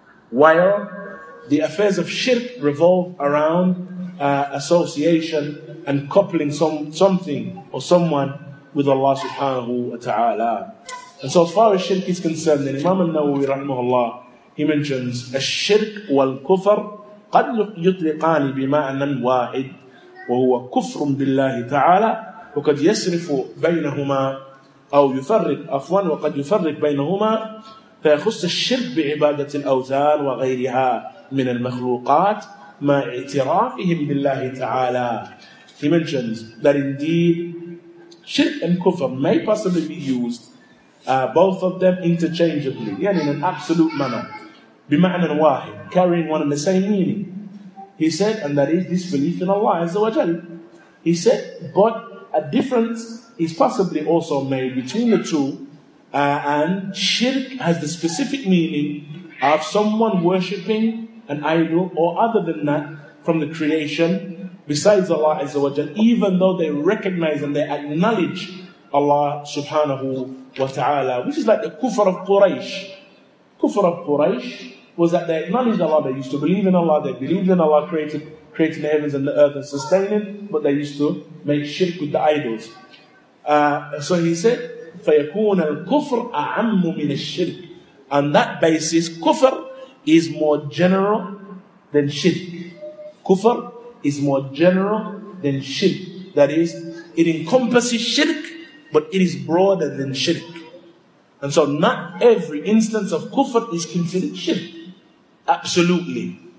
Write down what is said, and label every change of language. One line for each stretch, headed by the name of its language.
English: While the affairs of shirk revolve around association and coupling something or someone with Allah subhanahu wa ta'ala. And so as far as shirk is concerned, then Imam al-Nawawi rahimahullah, he mentions,
Arabic: الشرك والكفر قد يطلقان بمعنى واحد وهو كفر بالله تعالى وقد يصرف بينهما أو يفرق أفوان وقد يفرق بينهما فيخص الشرك بعبادة الأوثان وغيرها من المخلوقات مع اعترافهم بالله تعالى.
English: He mentions that indeed shirk and kufr may possibly be used both of them interchangeably, yani in an absolute manner,
Arabic: بمعنى واحد,
English: carrying one and the same meaning. He said, and that is disbelief in Allah Azza wa Jal. He said, but a difference is possibly also made between the two, and shirk has the specific meaning of someone worshipping an idol or other than that from the creation besides Allah Azza wa Jal, even though they recognize and they acknowledge Allah subhanahu wa ta'ala, which is like the kufr of Quraysh. Kufr of Quraysh was that they acknowledged Allah, they used to believe in Allah, they believed in Allah creating the heavens and the earth and sustaining, but they used to make shirk with the idols. So he said,
Arabic: فَيَكُونَ الْكُفْرُ أَعَمُّ مِنَ الشِّرْكِ.
English: On that basis, kufr is more general than shirk. Kufr is more general than shirk. That is, it encompasses shirk, but it is broader than shirk. And so not every instance of kufr is considered shirk. Absolutely.